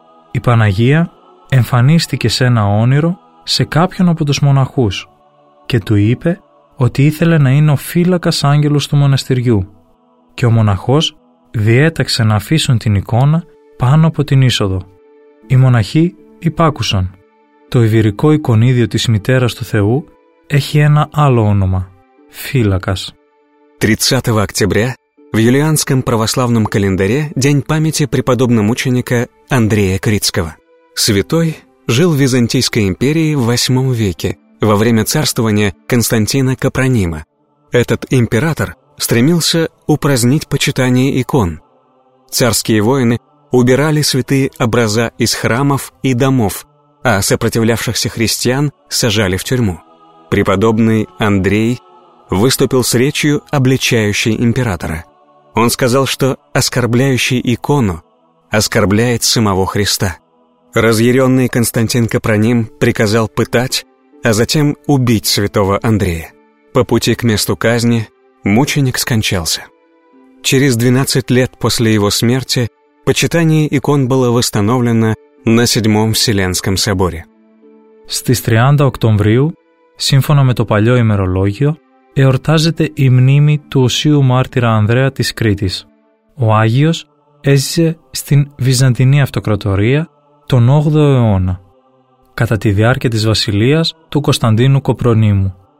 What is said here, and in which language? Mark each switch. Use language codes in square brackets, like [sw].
[el] Η Παναγία εμφανίστηκε σε ένα όνειρο σε κάποιον από τους μοναχούς και του είπε ότι ήθελε να είναι ο φύλακας άγγελος του μοναστηριού και ο μοναχός διέταξε να αφήσουν την εικόνα πάνω από την είσοδο. Οι μοναχοί υπάκουσαν. Το ιβυρικό εικονίδιο της Μητέρας του Θεού έχει ένα άλλο όνομα – φύλακας. [ru] 30 октября в юлианском православном календаре день памяти преподобного мученика Андрея Крицкого. Святой жил в Византийской империи в 8 веке, во время царствования Константина Капронима. Этот император стремился упразднить почитание икон. Царские воины убирали святые образа из храмов и домов, а сопротивлявшихся христиан сажали в тюрьму. Преподобный Андрей выступил с речью, обличающей императора. Он сказал, что оскорбляющий икону оскорбляет самого Христа. Разъяренный Константин Капроним приказал пытать, а затем убить святого Андрея. По пути к месту казни мученик скончался. Через 12 лет после его смерти почитание икон было восстановлено на 7-м Вселенском соборе. [el] Στις 30 Οκτωβρίου, σύμφωνα με το παλιό ημερολόγιο, εορτάζεται η μνήμη του οσίου μάρτυρα Ανδρέα της Κρήτης. Ο Άγιος έζησε στην Βυζαντινή Αυτοκρατορία τον 8ο αιώνα, κατά τη διάρκεια της βασιλείας του Κωνσταντίνου Κοπρονίμου.